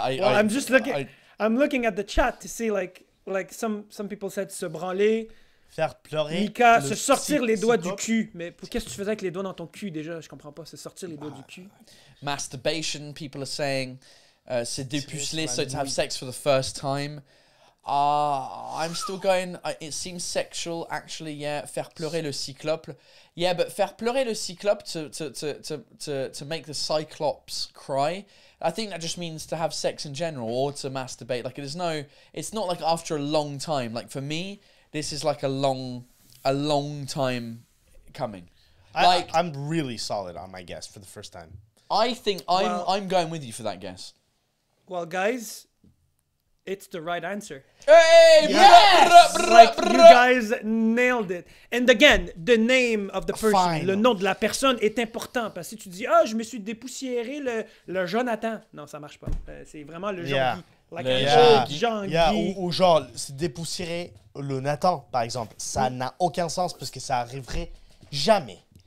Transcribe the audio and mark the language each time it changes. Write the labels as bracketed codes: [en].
[en] I'm looking at the chat to see, like some people said, [fr] se branler. Faire pleurer. Mika, se sortir les doigts du cul. Mais qu'est-ce que tu faisais avec les doigts dans ton cul déjà? Je comprends pas, se sortir les doigts du cul. [en] Masturbation, people are saying... [fr] c'est dépuceler, [en] so to have sex for the first time. I'm still going, it seems sexual, actually, yeah. [fr] Faire pleurer le cyclope. [en] Yeah, but [fr] faire pleurer le cyclope, [en] to make the cyclops cry, I think that just means to have sex in general or to masturbate. Like, it's not like after a long time. Like, for me, this is like a long time coming. I'm really solid on my guess for the first time. I think I'm going with you for that guess. Well, guys, it's the right answer. Hey, yes! Like, you guys nailed it. And again, the name of the person, fine. [fr] Le nom de la personne est important. Parce que tu dis, je me suis dépoussiéré le Jonathan. Non, ça marche pas. C'est vraiment le Jean-Guy. [en] Like [fr] le Jean-Guy. Ou genre, c'est dépoussiéré le Nathan, par exemple. Ça n'a aucun sens parce que ça arriverait jamais.